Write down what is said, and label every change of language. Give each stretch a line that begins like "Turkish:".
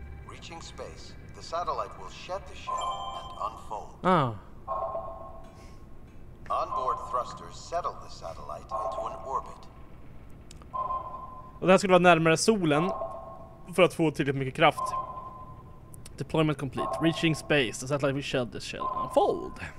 English: Reaching space, the satellite will shed the shell and unfold. Ah. Onboard thrusters settle the satellite into an orbit.
Swedish: Och det här skulle vara närmare solen för att få tillräckligt mycket kraft.
English: Deployment complete. Reaching space, the satellite will shed the shell and unfold.